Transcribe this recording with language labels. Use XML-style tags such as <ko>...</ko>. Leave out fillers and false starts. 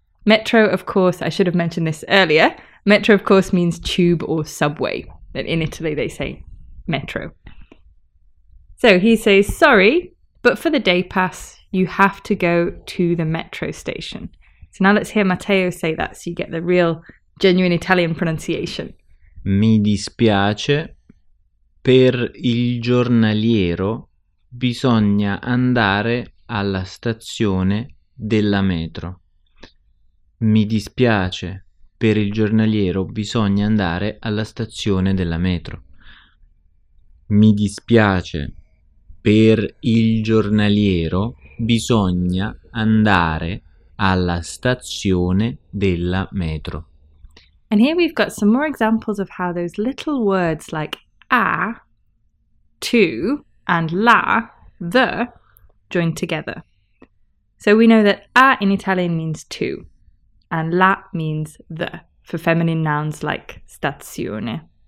<en>Metro, of course, I should have mentioned this earlier. Metro, of course, means tube or subway. In Italy, they say metro. So he says, sorry, but for the day pass, you have to go to the metro station. So now let's hear Matteo say that so you get the real, genuine Italian pronunciation.</en> <it>Mi dispiace, per il giornaliero bisogna andare alla stazione della metro. Mi dispiace, per il giornaliero bisogna andare alla stazione della metro. Mi dispiace, per il giornaliero bisogna andare alla stazione della metro.</it> <en>And here we've got some more examples of how those little words like a, to, and la, the, join together. So we know that a in Italian means to, and la means the, for feminine nouns like stazione.</en>